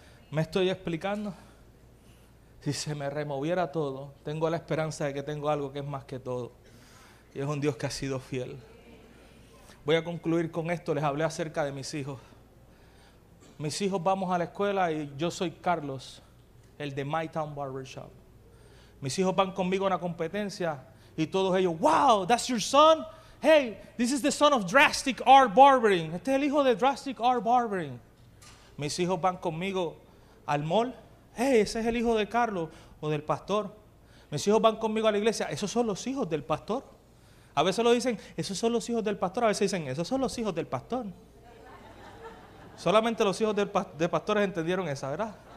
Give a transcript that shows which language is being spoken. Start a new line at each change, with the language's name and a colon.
Spanish: ¿Me estoy explicando? Si se me removiera todo, tengo la esperanza de que tengo algo que es más que todo. Y es un Dios que ha sido fiel. Voy a concluir con esto. Les hablé acerca de mis hijos. Mis hijos vamos a la escuela y yo soy Carlos, el de My Town Barbershop. Mis hijos van conmigo a una competencia y todos ellos,
English: wow, that's your son? Hey, this is the son of Drastic Art Barbering.
Spanish: Este es el hijo de Drastic Art Barbering. Mis hijos van conmigo al mall. Hey, ese es el hijo de Carlos o del pastor. Mis hijos van conmigo a la iglesia. Esos son los hijos del pastor. A veces lo dicen, esos son los hijos del pastor. A veces dicen, esos son los hijos del pastor. Solamente los hijos de pastores entendieron esa, ¿verdad?